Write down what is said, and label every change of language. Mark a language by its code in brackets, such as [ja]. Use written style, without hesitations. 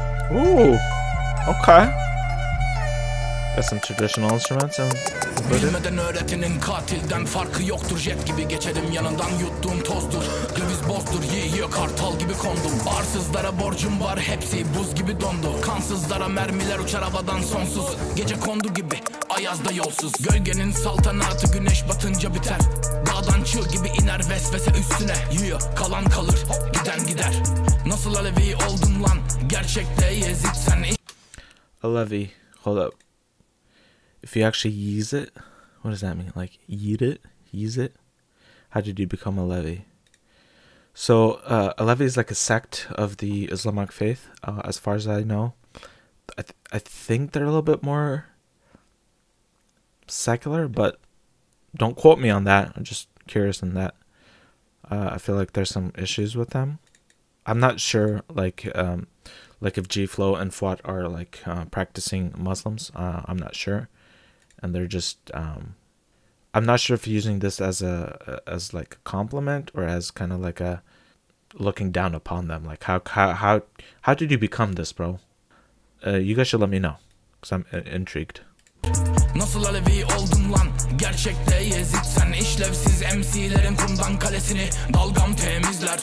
[en] Ooh, okay. Got some traditional instruments and... [tr] Bilmeden öğretinin katilden farkı yoktur. Jet gibi geçerim yanından yuttuğum tozdur. Döviz bozdur yiyor kartal gibi kondum. Barsızlara borcum var hepsi buz gibi dondu. Kansızlara mermiler uçar havadan sonsuz. Gece kondu gibi ayazda yolsuz. Gölgenin saltanatı güneş batınca biter. Dağdan çığ gibi iner vesvese üstüne. Yiyor kalan kalır giden gider. Nasıl Alevi oldun lan gerçekte Yezid sen. [en] Alevi, hold up. If you actually yeez it, what does that mean? Like, yeet it? Yeez it? How did you become a Levi? So, a Levi is like a sect of the Islamic faith, as far as I know. I think they're a little bit more secular, but don't quote me on that. I'm just curious on that. I feel like there's some issues with them. I'm not sure, like if Geeflow and Fuat are practicing Muslims. I'm not sure, and they're just. I'm not sure if using this as a compliment or as kind of like a looking down upon them. Like how did you become this, bro? You guys should let me know, cause I'm intrigued. [tr] Nasıl Alevi oldun lan? Gerçekte Yezid sen işlevsiz MC'lerin kumdan kalesini dalgam temizler.